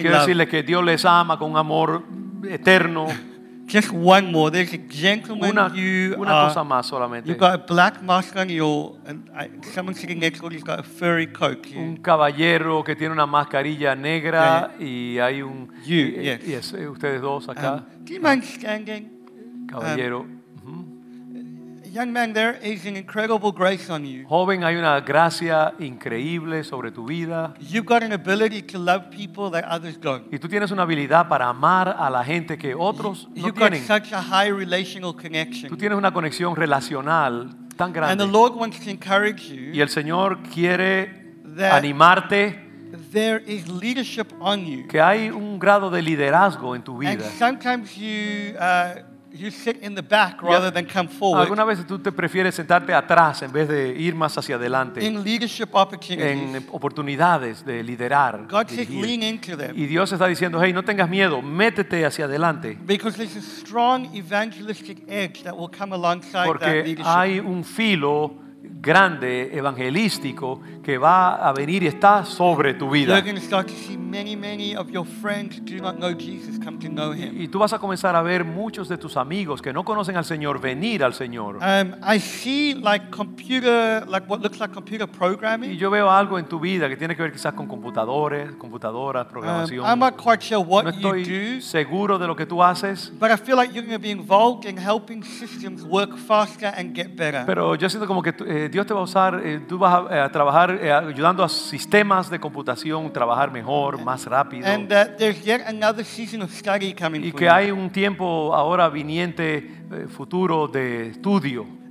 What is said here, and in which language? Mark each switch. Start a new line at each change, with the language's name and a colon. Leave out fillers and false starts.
Spanish: Quiero decirles que Dios les ama con amor eterno.
English: Just one more. There's a gentleman.
Spanish: Una cosa más solamente.
English: You've got a black mask on. And someone sitting next to you. You've got a furry coat. Here.
Spanish: Un caballero que tiene una mascarilla negra yeah. y hay un.
English: You.
Spanish: Y,
English: yes. Yes.
Spanish: Ustedes dos acá.
English: Do you mind standing?
Spanish: Caballero.
English: Young man, there is an incredible grace on you.
Spanish: Joven, hay una gracia increíble sobre tu vida.
English: You've got an ability to love people that others don't.
Spanish: Y tú tienes una habilidad para amar a la gente que otros no tienen.
English: You've got such a high relational connection.
Spanish: Tú tienes una conexión relacional tan grande.
English: And the Lord wants to encourage you.
Spanish: Y el Señor quiere animarte.
English: There is leadership on you.
Spanish: Que hay un grado de liderazgo en tu vida.
English: And sometimes you sit in the back rather than come forward.
Spanish: Alguna vez tú te prefieres sentarte atrás en vez de ir más hacia adelante.
English: In leadership opportunities.
Spanish: En oportunidades de liderar.
English: God says, lean into them.
Spanish: Y Dios está diciendo, hey, no tengas miedo, métete hacia adelante.
English: Because there's a strong evangelistic edge that will come alongside that leadership.
Spanish: Porque hay un filo grande evangelístico que va a venir y está sobre tu vida.
English: You're going to start to see many of your friends do not know Jesus come to know him.
Spanish: Y tú vas a comenzar a ver muchos de tus amigos que no conocen al Señor venir al Señor.
English: I see what looks like computer programming.
Spanish: Y yo veo algo en tu vida que tiene que ver quizás con computadores, computadoras, programación.
English: I'm not quite sure what
Spanish: no estoy
English: you do,
Spanish: seguro de lo que tú haces.
English: But I feel like you're going to be involved in helping systems work faster and get better.
Spanish: Pero yo siento como que Dios te va a usar, tú vas a trabajar ayudando a sistemas de computación trabajar mejor, más rápido.
English: And that there's yet another season of study coming.
Spanish: Y que hay un tiempo ahora viniente, futuro de estudio.